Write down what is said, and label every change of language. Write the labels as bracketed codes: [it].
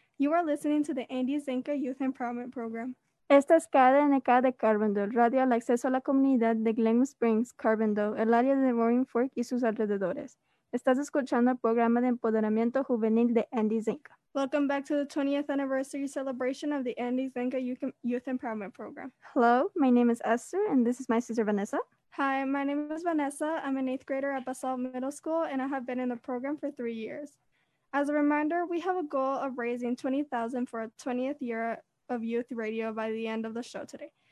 [en] You are listening to the Andy Zinca Youth Empowerment Program. [es] Esta es KDNK de Carbondale, radio al acceso a la comunidad de Glenwood Springs, Carbondale, el área de Roaring Fork y sus alrededores. Estás escuchando el programa de empoderamiento juvenil de Andy Zinca. [en] Welcome back to the 20th anniversary celebration of the Andy Zinca Youth Empowerment Program. Hello, my name is Esther, and this is my sister Vanessa. Hi, my name is Vanessa. I'm an eighth grader at Basalt Middle School, and I have been in the program for 3 years. As a reminder, we have a goal of raising $20,000 for our 20th year of youth radio by the end of the show today.